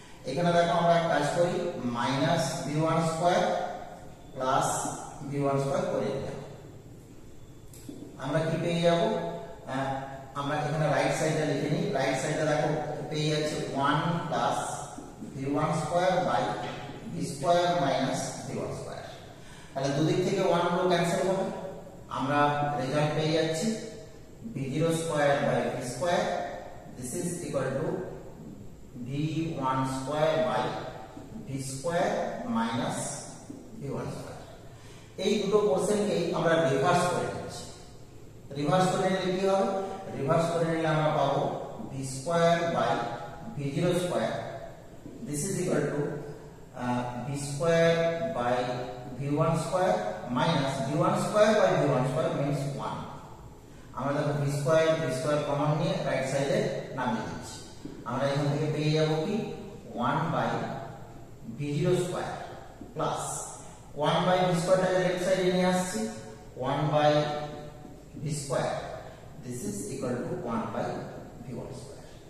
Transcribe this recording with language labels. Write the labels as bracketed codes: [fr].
[bn] এখানে দেখো আমরা এক কাজ করি minus V one square plus V one square করে দিলাম, আমরা কি পেয়ে যাব, আমরা এখানে রাইট সাইডটা লিখে নিই, রাইট সাইডটা দেখো পেয়ে যাচ্ছে 1 plus V one square by V square minus V one square, তাহলে দুদিক থেকে 1 গুলো ক্যান্সেল হবে, আমরা রেজাল্ট পেয়ে যাচ্ছি [en] b0 square by b square, this is equal to b1 square by b square minus b1 square. [bn] এই দুটো কোশ্চেনকেই আমরা রিভার্স করে নিচ্ছি। রিভার্স করে নিলে কি হবে? রিভার্স করে নিলে আমরা পাবো [en] b square by b0 square, this is equal to b square by b1 square minus b1 square by b1 square means 1. [bn] আমরা দেখো b square কমন নিয়ে রাইট সাইডে নামিয়ে দিচ্ছি। আমরা এখান থেকে পেয়ে যাব কি 1 by b0 square plus 1 by b square টা লেফট সাইডে নিয়ে আসছি 1 by b square, [en] this is equal to [bn] 1 by b1 square।